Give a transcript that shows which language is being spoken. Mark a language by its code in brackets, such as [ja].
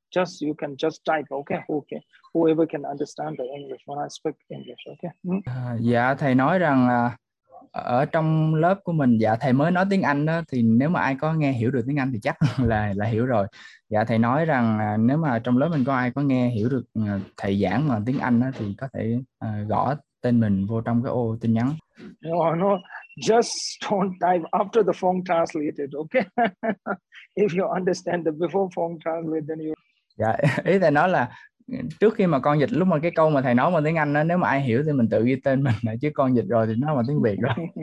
[en] Just you can just type, okay? Okay, whoever can understand the English when I speak English, okay? [vi] Dạ thầy nói rằng ở trong lớp của mình, dạ thầy mới nói tiếng Anh đó, thì nếu mà ai có nghe hiểu được tiếng Anh thì chắc là hiểu rồi. Dạ thầy nói rằng nếu mà trong lớp mình có ai có nghe hiểu được thầy giảng bằng tiếng Anh đó, thì có thể gõ tên mình vô trong cái ô tin nhắn. [en] No, just don't type after the phone translated, okay? If you understand the before phone translated, then you. [vi] Dạ ý thầy nói là trước khi mà con dịch, lúc mà cái câu mà thầy nói bằng tiếng Anh đó, nếu mà ai hiểu thì mình tự ghi tên mình, chứ con dịch rồi thì nó bằng tiếng Việt rồi.